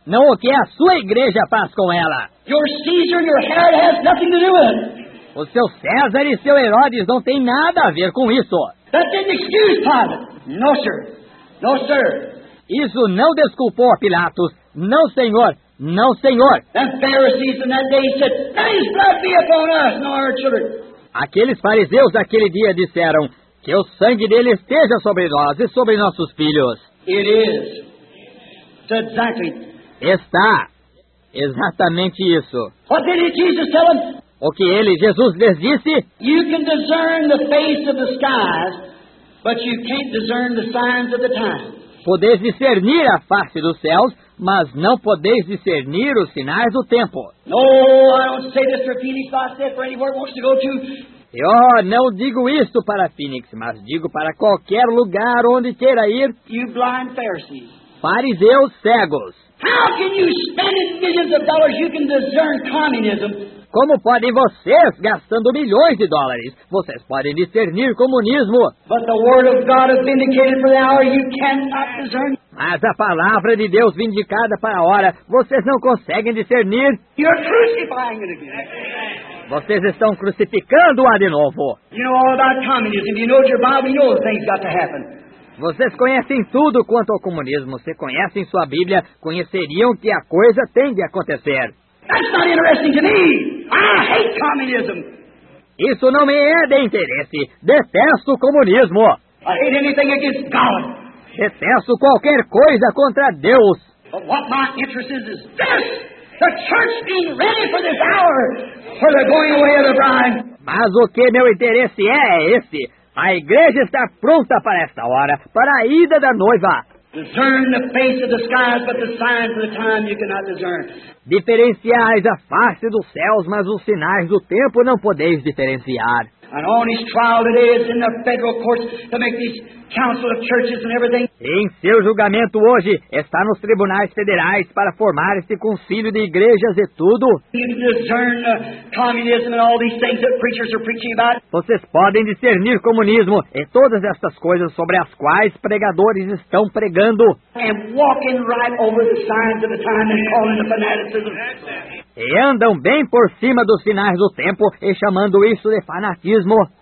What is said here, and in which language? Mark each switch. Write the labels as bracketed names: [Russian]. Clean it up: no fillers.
[Portuguese] Não o que a sua igreja faz com ela. [English] Your Caesar, your Herod has nothing to do with it. [Portuguese] O seu César e seu Herodes não têm nada a ver com isso. [English] That didn't excuse Pilate. No, sir. No, sir. [Portuguese] Isso não desculpou a Pilatos. Não, senhor. Não, senhor. [English] The Pharisees in that day said, let his blood be upon us, not our children. [Portuguese] Aqueles fariseus daquele dia disseram, que o sangue dele esteja sobre nós e sobre nossos filhos. [English] It is. It's exactly. [Portuguese] Está. Exatamente isso. [English] What did Jesus tell him? [Portuguese] O que ele, Jesus, lhes disse? [English] You can discern the face of the skies, but you can't discern the signs of the times. [Portuguese] Podeis discernir a face dos céus, mas não podeis discernir os sinais do tempo. [English] No, I don't say this for Phoenix, but I said for anywhere wants to go to. [Portuguese] Oh, não digo isso para Phoenix, mas digo para qualquer lugar onde queira ir. [English] You blind Pharisees. [Portuguese] Fariseus cegos. [English] How can you spend millions of dollars you can discern communism? [Portuguese] Como podem vocês, gastando milhões de dólares, vocês podem discernir comunismo? [English] But the word of God is vindicated for the hour, you cannot discern. [Portuguese] Mas a palavra de Deus vindicada para a hora, vocês não conseguem discernir. [English] You're crucifying it again. [Portuguese] Vocês estão crucificando-a de novo. [English] You know all about communism. You know your Bible. You know things got to happen. [Portuguese] Vocês conhecem tudo quanto ao comunismo. Se conhecem sua Bíblia, conheceriam que a coisa tem de acontecer. [English] That's not interesting to me. I hate communism. [Portuguese] Isso não me é de interesse. Detesto o comunismo. [English] I hate anything against God. [Portuguese] Detesto qualquer coisa contra Deus. [English] But what my interest is this. The church being ready for this hour for the going away of the bride. [Portuguese] Mas o que meu interesse é esse. A igreja está pronta para esta hora, para a ida da noiva. [English] Discern the face of the skies, but the signs of the time you cannot discern. [Portuguese] Diferenciais a face dos céus, mas os sinais do tempo não podeis diferenciar. [English] An honest trial it is in the federal courts to make these council of churches and everything. [Portuguese] Em seu julgamento hoje está nos tribunais federais para formar este concílio de igrejas e tudo. [English] You can discern communism and all these things that preachers are preaching about. [Portuguese] Vocês podem discernir comunismo e todas estas coisas sobre as quais pregadores estão pregando. [English] And walking right over the signs of the time and calling the fanaticism. [Portuguese] E andam bem por cima dos sinais do tempo e chamando isso de fanatismo.